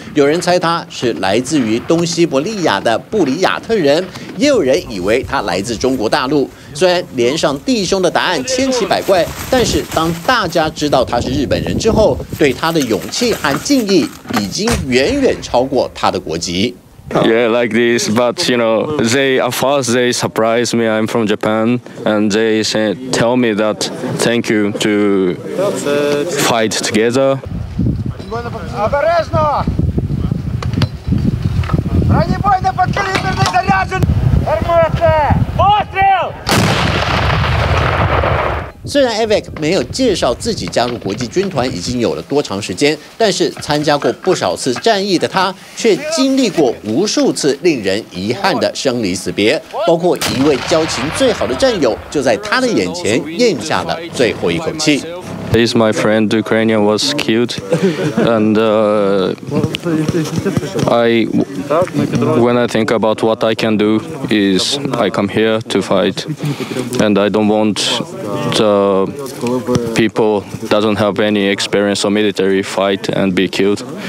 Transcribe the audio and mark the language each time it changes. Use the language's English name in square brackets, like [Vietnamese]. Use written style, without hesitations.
[Chinese] 有人猜他是来自于东西伯利亚的布里亚特人，也有人以为他来自中国大陆。虽然连上弟兄的答案千奇百怪，但是当大家知道他是日本人之后，对他的勇气和敬意已经远远超过他的国籍。 [English] Yeah, like this, but you know, they at first they surprised me. I'm from Japan, and they said, "Tell me that, thank you to fight together." [Ukrainian] Обережно! [Russian] Бронебойный подкалиберный заряжен. РМС! Пострел! [Chinese] 虽然 Avec 没有介绍自己加入国际军团已经有了多长时间，但是参加过不少次战役的他，却经历过无数次令人遗憾的生离死别，包括一位交情最好的战友就在他的眼前咽下了最后一口气。 [English] This is my friend, Ukrainian was killed, and when I think about what I can do, is I come here to fight, and I don't want the people doesn't have any experience on military fight and be killed.